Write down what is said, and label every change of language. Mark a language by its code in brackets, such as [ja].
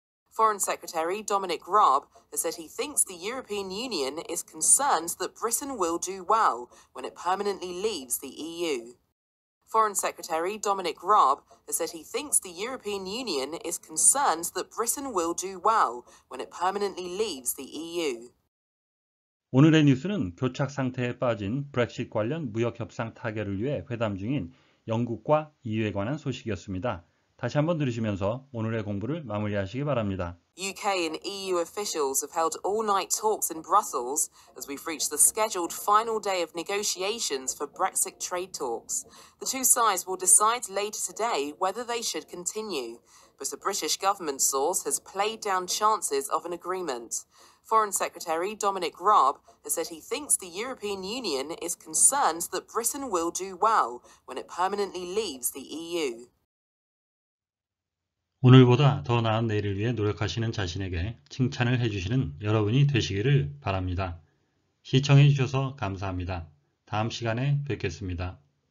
[en] Foreign Secretary Dominic Raab has said he thinks the European Union is concerned that Britain will do well when it permanently leaves the EU. Foreign Secretary Dominic Raab has said he thinks the European Union is concerned that Britain will do well when it permanently leaves the EU. [ko] 오늘의 뉴스는 교착 상태에 빠진 브렉시트 관련 무역 협상 타결을 위해 회담 중인 영국과 EU에 관한 소식이었습니다. 다시 한번 들으시면서 오늘의 공부를 마무리하시기 바랍니다. [en] UK and EU officials have held all-night talks in Brussels as we've reached the scheduled final day of negotiations for Brexit trade talks. The two sides will decide later today whether they should continue, but a British government source has played down chances of an agreement. Foreign Secretary Dominic Raab has said he thinks the European Union is concerned that Britain will do well when it permanently leaves the EU. [ko] 오늘보다 더 나은 내일을 위해 노력하시는 자신에게 칭찬을 해주시는 여러분이 되시기를 바랍니다. 시청해주셔서 감사합니다. 다음 시간에 뵙겠습니다.